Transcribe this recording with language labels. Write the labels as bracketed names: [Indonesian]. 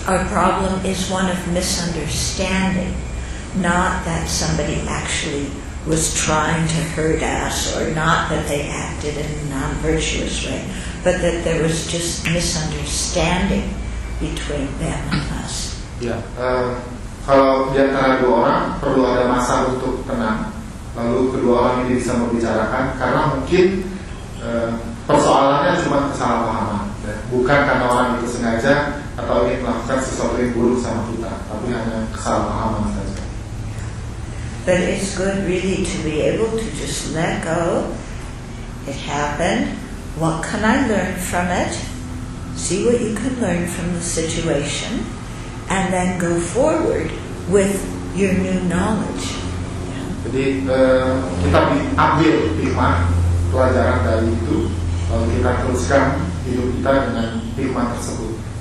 [English] problem is one of misunderstanding, not that somebody actually was trying to hurt us or not that they acted in a non-virtuous way, but that there was just misunderstanding between them and us. Yeah. [Indonesian] Kalau di antara dua orang perlu ada masa untuk tenang, lalu kedua orang ini bisa membicarakan, karena mungkin persoalannya cuma kesalahpahaman, bukan karena orang itu sengaja atau ingin melakukan sesuatu yang buruk sama kita, tapi hanya kesalahpahaman saja. [English] But it's good really to be able to just let go. It happened. What can I learn from it? See what you can learn from the situation, and then go forward with your new knowledge. [Indonesian] Jadi kita ambil hikmah pelajaran dari itu, lalu kita teruskan hidup kita dengan hikmah tersebut.